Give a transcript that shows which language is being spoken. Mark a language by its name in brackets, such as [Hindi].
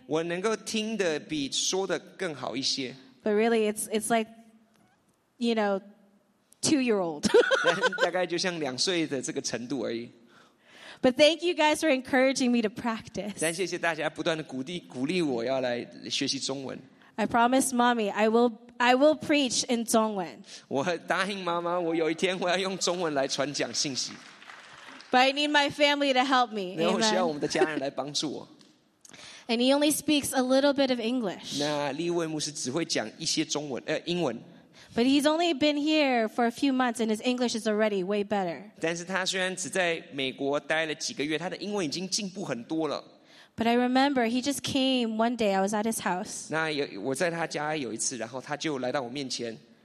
[Chinese] 我能够听得比说得更好一些。 [English] But really, it's like, you know, two-year-old. [Chinese] 大概就像两岁的这个程度而已。 [English] But thank you guys for encouraging me to practice. [Chinese] 但谢谢大家不断的鼓励我要来学习中文。 [English] I promise mommy, I will preach in 中文。 [Chinese] 我答应妈妈，我有一天我要用中文来传讲信息。 [English] But I need my family to help me. [Chinese] 然后需要我们的家人来帮助我。 [English] And he only speaks a little bit of English. [Chinese] 那利威牧师只会讲一些中文，英文。 [English] But he's only been here for a few months, and his English is already way better. [Chinese] 但是他虽然只在美国待了几个月，他的英文已经进步很多了。 [English] But I remember he just came one day. I was at his house. [Chinese] 那有我在他家有一次，然后他就来到我面前。